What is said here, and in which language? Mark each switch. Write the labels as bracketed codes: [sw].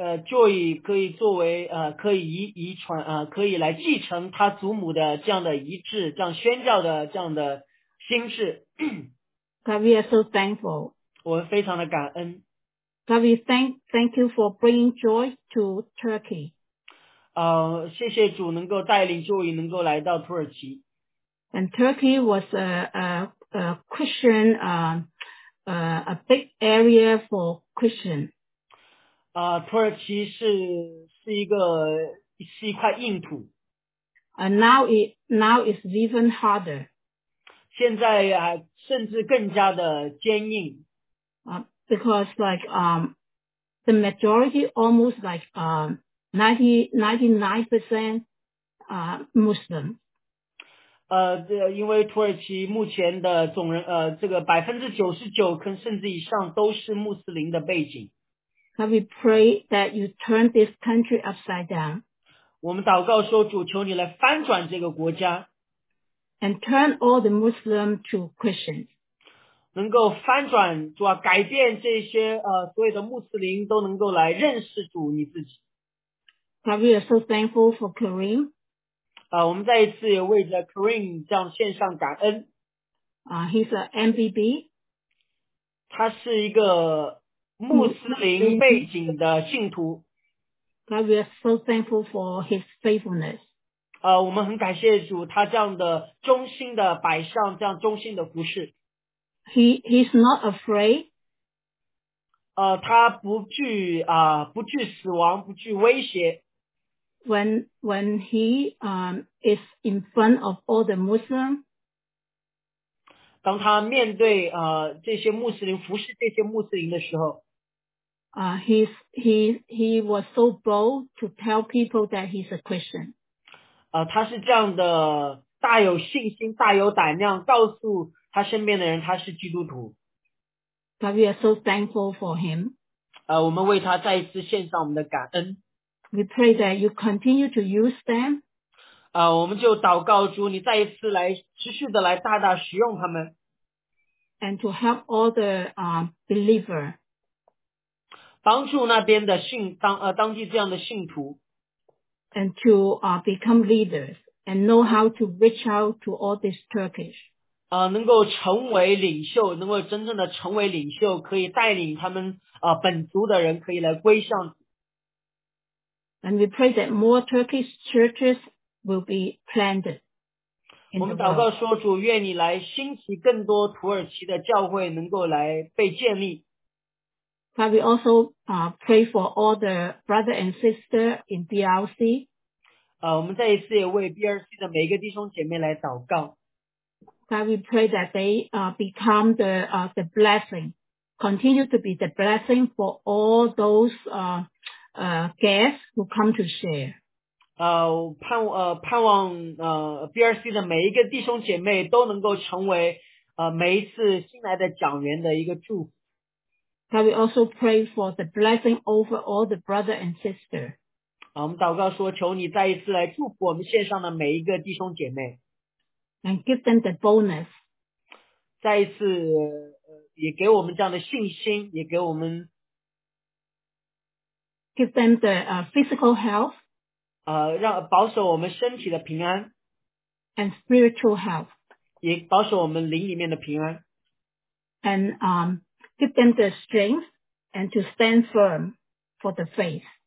[zh] Joy 可以作为可以遗传可以来继承他祖母的这样的遗志，这样宣教的这样的心智。 [en] God, we are so thankful. [zh] 我们非常的感恩。 [en] God, we thank you for bringing Joy to Turkey. [zh] 谢谢主能够带领 Joy 能够来到土耳其。 [en] And Turkey was a Christian, a big area for Christian. [zh] 土耳其是一块硬土。 [en] Now it's even harder. [zh] 现在甚至更加的坚硬。 [en] Because like, the majority almost like, 99%, Muslim. [zh] 因为土耳其目前的总人这个 99% 跟甚至以上都是穆斯林的背景。 [en] God, we pray that you turn this country upside down. [zh] 我们祷告说主求你来翻转这个国家。 [en] And turn all the Muslims to Christians. [zh] 能够翻转主啊改变这些所有的穆斯林都能够来认识主你自己。 [en] God, we are so thankful for Karim. [zh] 我们再一次也为着 Karim 这样献上感恩。 [en] He's a MBB. [zh] 他是一个穆斯林背景的信徒。 [en] God, we are so thankful for his faithfulness. [zh] 我们很感谢主他这样的忠心的摆上这样忠心的服事。 [en] He's not afraid. [zh] 他不惧死亡，不惧威胁。 [en] When he is in front of all the Muslims, [zh] 当他面对这些穆斯林服侍这些穆斯林的时候 [en] he was so bold to tell people that he's a Christian. [zh] 他是这样的大有信心大有胆量告诉他身边的人他是基督徒。 [en] But we are so thankful for him. [zh] 我们为他再一次献上我们的感恩。 [en] We pray that you continue to use them. [zh] 我们就祷告主，你再一次来持续的来大大使用他们。 [en] And to help all the believer. [zh] 帮助那边的信当当地这样的信徒。 [en] And to become leaders and know how to reach out to all this Turkish. [zh] 能够成为领袖，能够真正的成为领袖，可以带领他们本族的人可以来归向。 [en] And we pray that more Turkish churches will be planted. [zh] 我们祷告说，主，愿你来兴起更多土耳其的教会，能够来被建立。 [en] But we also pray for all the brother and sister in BRC. [zh] 我们再一次也为 BRC 的每一个弟兄姐妹来祷告。 [en] But we pray that they become the blessing, continue to be the blessing for all those guests who come to share. [zh] 盼望BRC 的每一个弟兄姐妹都能够成为每一次新来的讲员的一个祝福。 [en] But we also pray for the blessing over all the brother and sister. [zh] 我们祷告说，求你再一次来祝福我们线上的每一个弟兄姐妹。 [en] And give them the boldness. [zh] 再一次，也给我们这样的信心，也给我们。 [en] Give them the physical health. [zh] 让保守我们身体的平安。 [en] And spiritual health. [zh] 也保守我们灵里面的平安。 [en] And give them the strength and to stand firm for the faith.